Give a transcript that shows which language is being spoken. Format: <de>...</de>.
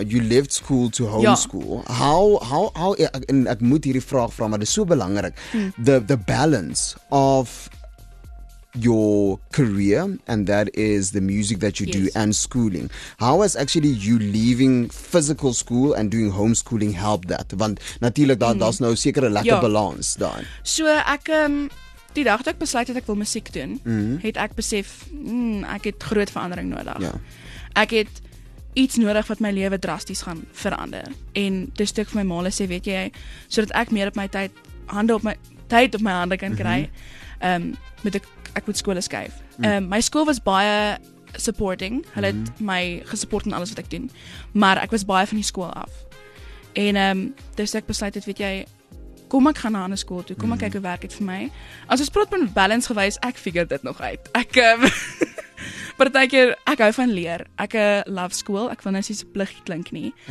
<af>You left school to homeschool. Ja. How en ek moet hierdie vraag vra, maar dit is so belangrik.</af> <en>The balance of your career, and that is the music that you do and schooling. How has actually you leaving physical school and doing homeschooling helped that?</en> <af>Want natuurlik daar's nou sekere lekker balans daarin. So ek die dag toe ek besluit het ek wil musiek doen, het ek besef ek het groot verandering nodig. Yeah. Ek het iets nodig wat my lewe drasties gaan verander. En dis toe ek vir my maale sê, weet jy, sodat ek meer op my tyd hande op my tyd op my hande kan kry. Ek moet skole skuif. My school was baie supporting. Hulle het my gesupport in alles wat ek doen. Maar ek was baie van die school af. En dis ek besluit het, weet jy, kom ek gaan na 'n school toe. Kom ek kyk hoe werk dit vir my. As ons praat van balance gewys, ek figure dit nog uit. Ek partykeer ek hou van leer. Ek love school. Ek wil nou sies 'n pligtie klink nie.</af>